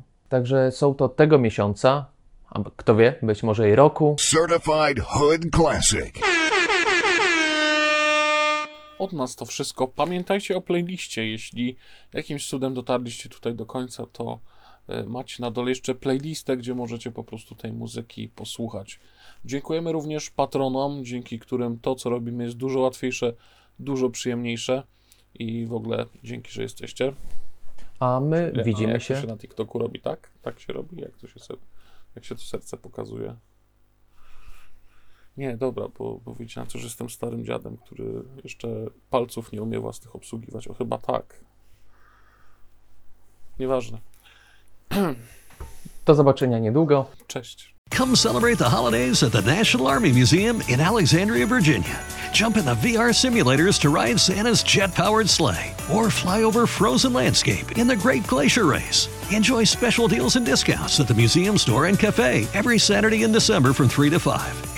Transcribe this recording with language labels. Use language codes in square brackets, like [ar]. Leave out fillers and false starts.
[pl] Także są to tego miesiąca, a kto wie, być może i roku. [en] Certified Hood Classic. [pl] Od nas to wszystko. Pamiętajcie o playliście. Jeśli jakimś cudem dotarliście tutaj do końca, to macie na dole jeszcze playlistę, gdzie możecie po prostu tej muzyki posłuchać. Dziękujemy również patronom, dzięki którym to, co robimy, jest dużo łatwiejsze, dużo przyjemniejsze i w ogóle dzięki, że jesteście. A my widzimy się. To się na TikToku robi, tak? Tak się robi, jak się to serce pokazuje. Nie, dobra, bo widzicie na to, że jestem starym dziadem, który jeszcze palców nie umie własnych obsługiwać. O, chyba tak. Nieważne. Do zobaczenia niedługo. Cześć. [en] Come celebrate the holidays at the National Army Museum in Alexandria, Virginia. Jump in the VR simulators to ride Santa's jet-powered sleigh or fly over frozen landscape in the Great Glacier Race. Enjoy special deals and discounts at the museum store and cafe every Saturday in December from 3 to 5.